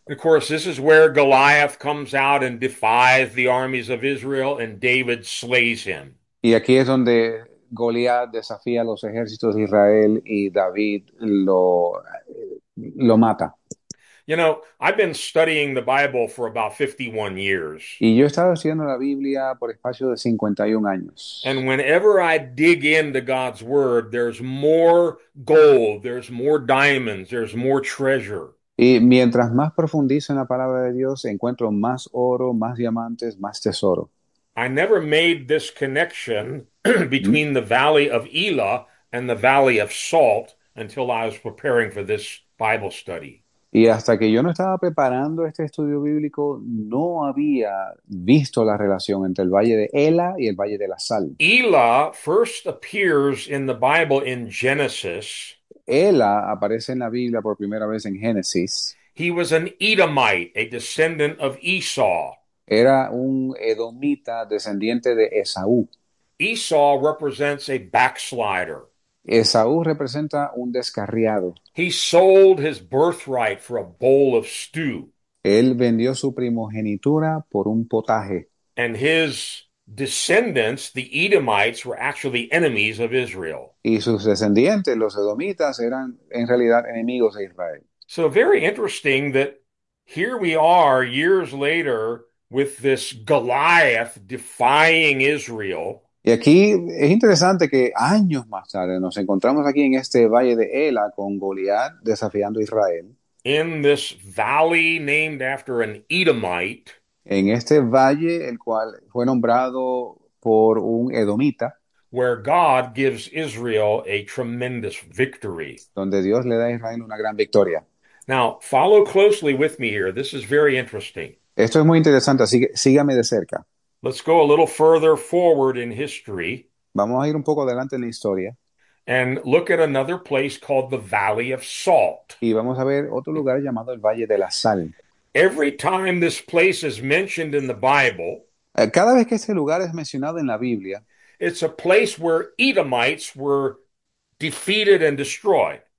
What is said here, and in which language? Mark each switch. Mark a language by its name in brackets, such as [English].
[English] Of course, this is where Goliath comes out and defies the armies of Israel, and David slays him. [Spanish] Y aquí es donde Goliat desafía a los ejércitos de Israel y David lo mata. [English] You know, I've been studying the Bible for about 51 years. [Spanish] Y yo he estado estudiando la Biblia por espacio de 51 [English] And [Spanish] años. [English] whenever I dig into God's word, there's more gold, there's more diamonds, there's more treasure. [Spanish] Y mientras más profundizo en la palabra de Dios, encuentro más oro, más diamantes, más tesoro. [English] I never made this connection between the Valley of Elah and the Valley of Salt until I was preparing for this Bible study. [Spanish] Y hasta que yo no estaba preparando este estudio bíblico, no había visto la relación entre el Valle de Ela y el Valle de la Sal. [English] Elah first appears in the Bible in Genesis. [Spanish] Ela aparece en la Biblia por primera vez en Génesis. [English] He was an Edomite, a descendant of Esau. [Spanish] Era un edomita descendiente de Esaú. [English] Esau represents a backslider. [Spanish] Esaú representa un descarriado. [English] He sold his birthright for a bowl of stew. [Spanish] Él vendió su primogenitura por un potaje. [English] And his descendants, the Edomites, were actually enemies of Israel. [Spanish] Y sus descendientes, los edomitas, eran en realidad enemigos de Israel. [English] So very interesting that here we are years later with this Goliath defying Israel. [Spanish] Y aquí es interesante que años más tarde nos encontramos aquí en este valle de Ela con Goliat desafiando a Israel. [English] In this valley named after an Edomite. [Spanish] En este valle, el cual fue nombrado por un edomita, [English] Where God gives Israel a tremendous victory. [Spanish] donde Dios le da a Israel una gran victoria. [English] Now, follow closely with me here. This is very interesting. [Spanish] Esto es muy interesante, así que sígame de cerca. [English] Let's go a little further forward in history [Spanish] Vamos a ir un poco adelante en la historia. [English] and look at another place called the Valley of Salt. [Spanish] Y vamos a ver otro lugar llamado el Valle de la Sal. [English] Every time this place is mentioned in the Bible, [Spanish] Cada vez que ese lugar es mencionado en la Biblia, [English] it's a place where Edomites were defeated and destroyed.